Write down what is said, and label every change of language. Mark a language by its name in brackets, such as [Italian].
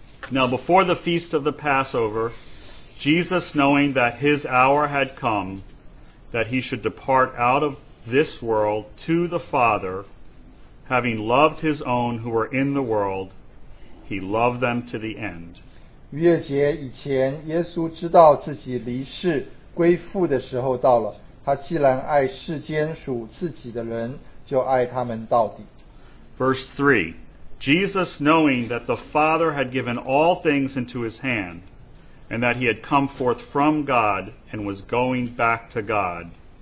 [English] Now, before the feast of the Passover, Jesus, knowing that his hour had come, that he should depart out of this world to the Father, having loved his own who were in the world, he loved them to the end. [Chinese] 逾越节以前，耶稣知道自己离世。归父的时候到了,他既然爱世间属自己的人, [English] Verse 3, Jesus, knowing that the Father had given all things into his hand, and that he had come forth from God and was going back to God.